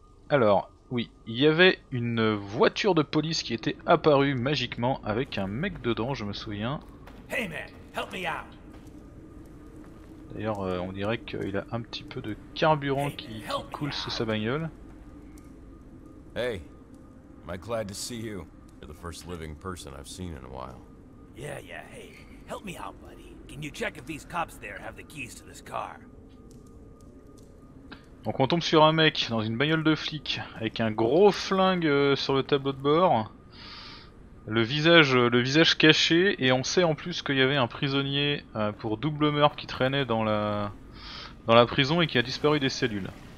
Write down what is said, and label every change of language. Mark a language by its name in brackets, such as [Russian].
[French] Alors, oui, il y avait une voiture de police qui était apparue magiquement avec un mec dedans, je me souviens. [English] Hey man, help me out. [French] D'ailleurs, on dirait qu'il a un petit peu de carburant qui coule sous sa bagnole. [English] Hey, am I glad to see you. You're the first living person I've seen in a while. Yeah, yeah, hey, help me out, buddy. Can you check if these cops there have the keys to this car? [French] Donc on tombe sur un mec dans une bagnole de flic avec un gros flingue sur le tableau de bord. Le visage caché, et on sait en plus qu'il y avait un prisonnier pour double meurtre qui traînait dans la prison et qui a disparu des cellules.